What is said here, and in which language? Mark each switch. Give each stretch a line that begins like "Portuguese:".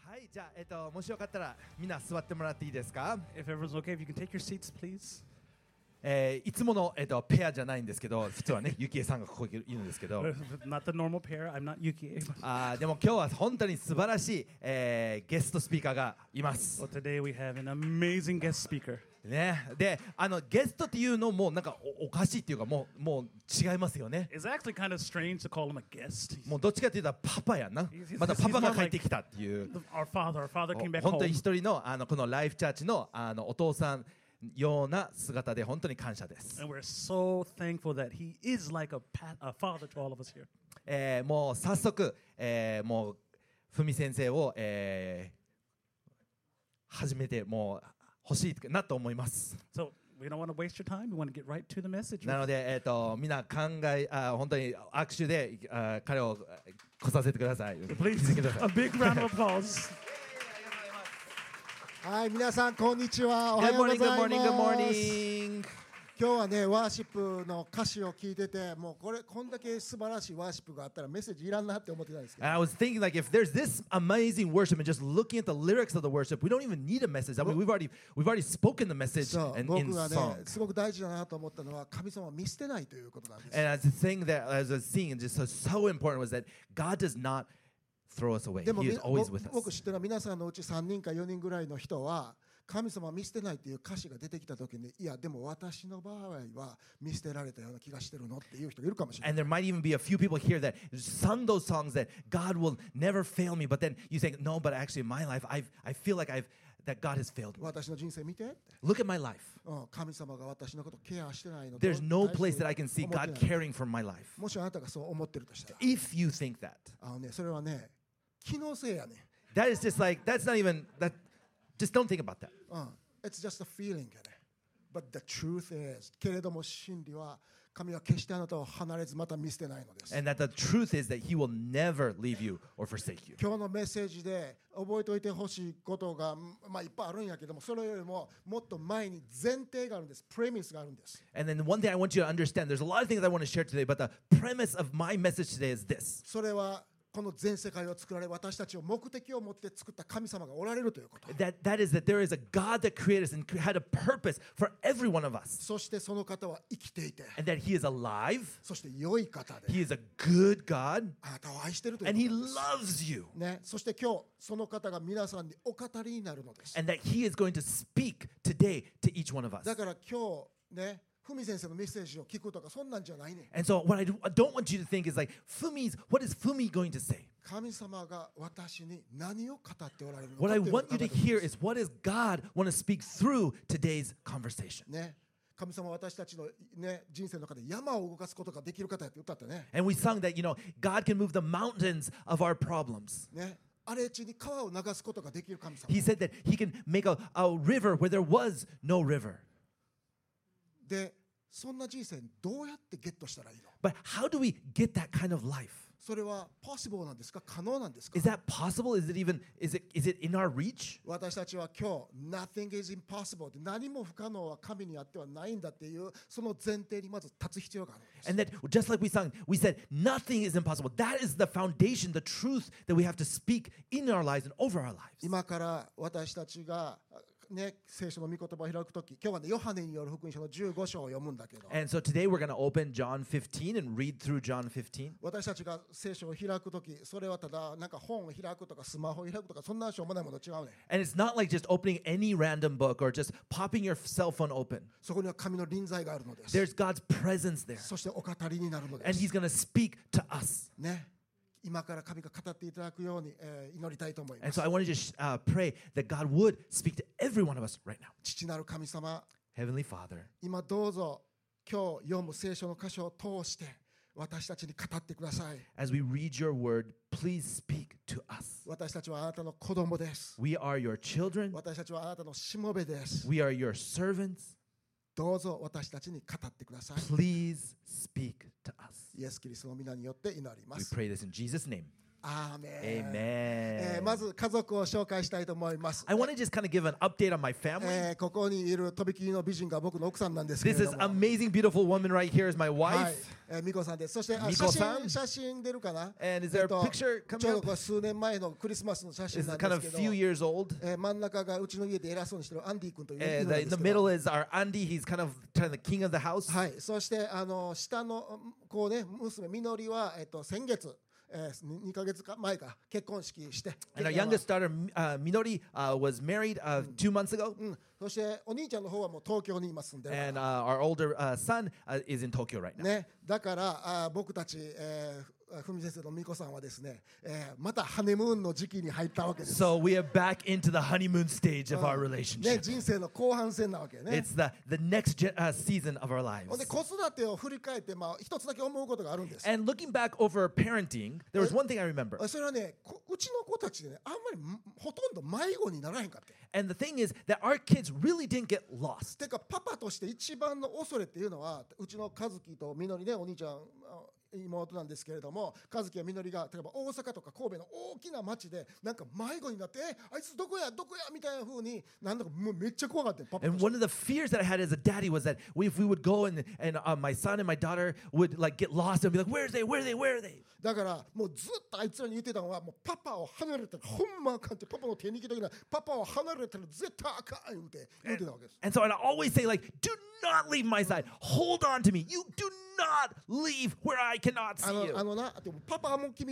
Japanese: じゃあ、もしよかったらみんな座ってもらっていいですか。
English: If everyone's okay, if you can take your seats, please.
Japanese: いつもの、ペアじゃないんですけど、実はね、ユキエさんがここにいるんですけど。
English: Not the normal pair. I'm not Yuki.
Japanese: でも今日は本当に素晴らしい、ゲストスピーカーがいます。
English: Well, today we have an amazing guest speaker.
Japanese: ね、で、ゲストっていうのもなんか おかしいっていうか、もう違いますよね。
English: It's actually kind of strange to call him a guest.
Japanese: もうどっちかというとパパやな。またパパが帰ってきたっていう。
English: Our father came back home.
Japanese: 本当に一人の、このライフチャーチの、お父さん。ような姿で本当に感謝です。
English: And we're so thankful that he is like a father to all of us here.
Japanese: もう早速、もうふみ先生を、始めてもう欲しいなと思います。
English: So we don't want to waste your time. We want to get right to the message.
Japanese: なので、みんな考え、本当に握手で、彼を来させてください。
English: Please, a big round of applause.
Japanese: はい、皆さんこんにちは。おはようございます。
English: Good morning, good morning, good morning.
Japanese: 今日はね、ワーシップの歌詞を聞いてて、もうこれこんだけ素晴らしいワーシップがあったらメッセージいらんなって思ってたんですけど。
English: I was thinking like if there's this amazing worship and just looking at the lyrics of the worship, we don't even need a message. I mean, we've already spoken the message and in song.
Japanese: 僕がね、すごく大事だなと思ったのは神様は見捨てないということなんです。
English: And as the thing that as a scene just so important was that God does notthrow us away. He is always with us.
Japanese: 僕知ってる皆さんのうち3人か4人ぐらいの人は神様見捨てないっていう歌詞が出てきた時に、いやでも私の場合は見捨てられたような気がしてるのっていう人がいるかもしれない。
English: And there might even be a few people here that sung those songs that God will never fail me, but then you think, no, but actually in my life I feel like I'veThat God has failed me.
Japanese: 私の人生見て。
English: Look at my life.
Japanese: 神様が私のことケアしてないの。
English: There's no place that I can see God caring for my life.
Japanese: もしあなたがそう思ってるとしたら。
English: If you think that.
Japanese: ね、それはね、気のせいやね。
English: That is just like that's not even that. Just don't think about that. It's just a feeling, yeah. But the truth is,
Japanese: けれども真理は神は決してあなたを離れずまた見捨てないのです。
English: And that the truth is that He will never leave you or forsake you.
Japanese: 今日のメッセージで覚えておいてほしいことが、まあ、いっぱいあるんやけども、それよりももっと前に前提があるんです。 Premise があるんです。
English: And then one thing I want you to understand, there's a lot of things I want to share today, but the premise of my message today is this.
Japanese: それはこの全世界を作られ私たちを目的を持って作った神様がおられるということ。
English: That is that there is a God that created us and had a purpose for every one of us.
Japanese: そしてその方は生きていて。
English: And that He is alive.
Japanese: そして良い方で。
English: He is a good God.
Japanese: あなたを愛しているということ
English: 。 And He loves you.
Japanese: ね、そして今日その方が皆さんにお語りになるのです。
English: And that He is going to speak today to each one of us.
Japanese: だから今日ね。フミ先生のメッセージを聞くとかそんなんじゃないね。
English: And so what I don't want you to think is like, Fumi's, what is Fumi going to say?
Japanese: 神様が私に何を語っておられるのか。
English: What I want you to hear is what does God want to speak through today's conversation?
Japanese: ね、神様は私たちのね人生の中で山を動かすことができる方やって歌ったね。
English: And we sung that, you know, God can move the mountains of our problems.
Japanese: ね。荒れ地に川を流すことができる神様。
English: He said that He can make a river where there was no river.
Japanese: でそんな人生どうやってゲットしたらいいの？
English: But how do we get that kind of life?
Japanese: それは possible なんですか？可能なんですか？
English: Is that possible? Is it even is it in our reach?
Japanese: 私たちは今日
English: nothing is impossible
Japanese: 何も不可能は神にあってはないんだっていうその前提にまず立つ必要があるんです。
English: And that just like we said nothing is impossible. That is the foundation, the truth that we have to speak in our lives and over our lives.
Japanese: 今から私たちがね、聖書の御言葉を開くとき、今日は、ね、ヨハネによる福音書の15章を読むんだけど。
English: And so today we're going to open John 15 and read through John 15.
Japanese: 私たちが聖書を開くとき、それはただなんか本を開くとかスマホを開くとかそんなしょうもないもの違うね。
English: And it's not like just opening any random book or just popping your cell phone open.
Japanese: そこには神の臨在があるのです。
English: There's God's presence there.
Japanese: そしてお語りになるのです。
English: And He's going to speak to us.
Japanese: ね。今から神が語っていただくように、祈りたいと思います。
English: And so I want to just pray that God would speak to every one of us right now.
Japanese: 父なる神様、
English: Heavenly Father,
Japanese: 今どうぞ今日読む聖書の箇所を通して私たちに語ってください。
English: As we read your word, please speak to us.
Japanese: 私たちはあなたの子供です。
English: We are your children.
Japanese: 私たちはあなたのしもべです。
English: We are your servants.
Japanese: どうぞ私たちに語ってください。
English: Please speak to us.
Japanese: イエス・キリストの皆によって祈ります。
English: We pray this in Jesus' name. Amen. Amen. I want to just kind of give an update on my family. This is amazing, beautiful woman right here is my wife. Miko-san. And is there a picture coming up? It's kind of a few years old. And in the middle is our Andy. He's kind of the king of the house. And our youngest daughter, Minori, was married 2 months ago. And our older son is in Tokyo right now.
Japanese: だから僕たち文先生の美子さんはですね、またハネムーンの時期に入ったわけです。
English: So we are back into the honeymoon stage of our relationship.
Japanese: 人生の後半戦なわけね。
English: It's the next season of our lives.
Japanese: で、子育てを振り返って、まあ一つだけ思うことがあるんです。
English: And looking back over parenting, there was one thing I remember.
Japanese: それはね、うちの子たちね、あんまりほとんど迷子にならへんかった。
English: And the thing is that our kids really didn't get lost.
Japanese: てか、パパとして一番の恐れっていうのは、うちの和樹とみのりね、お兄ちゃん。妹なんですけれども、和樹やみのりが例えば大阪とか神戸の大きな町でなんか迷子になって、あいつどこやどこやみたいな風に、なんだかもうめっちゃ怖がってパパ。
English: And one of the fears that I had as a daddy was that if we would go and my son and my daughter would like get lost and be like, where are they? Where are they? Where are they?
Japanese: だからもうずっとあいつらに言ってたのはもうパパを離れたらほんまあかんって、パパの手に来たらパパを離れたら絶対あかん言って言ってたわけです。
English: And so I'd always say like, do not leave my side. Hold on to me. You do not. Not leave where I cannot see you.